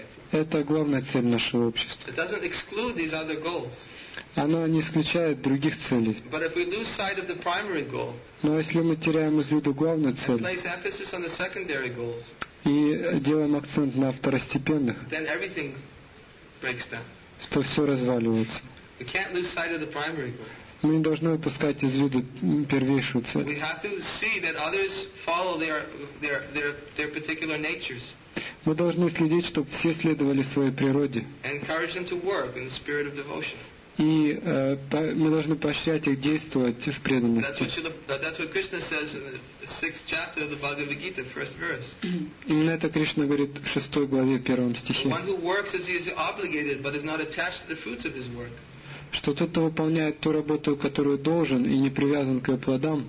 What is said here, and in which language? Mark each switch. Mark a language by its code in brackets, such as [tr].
[ru] Это главная цель нашего общества. [en] It doesn't exclude these other goals. [ru] Оно не исключает других целей. [en] But if we lose sight of the primary goal, [ru] но если мы теряем из виду главную цель, [en] place emphasis on the secondary goals, [ru] и делаем акцент на второстепенных, [en] then everything breaks down. [ru] То все разваливается. [en] We can't lose sight of the primary goal. [ru] Мы не должны упускать из виду первейшую цель. [en] We have to see that others follow their particular natures. [ru] Мы должны следить, чтобы все следовали своей природе. [en] Encourage them to work in the spirit of devotion. [ru] И мы должны поощрять их действовать в преданности. [en] That's what Krishna says in the sixth chapter of the Bhagavad Gita, first verse. [ru] Именно это Кришна говорит в шестой главе, первом стихе. [en] One who works as he is obligated, but is not attached to the fruits of his work. [ru] Что тот, кто выполняет ту работу, которую должен, и не привязан к ее плодам,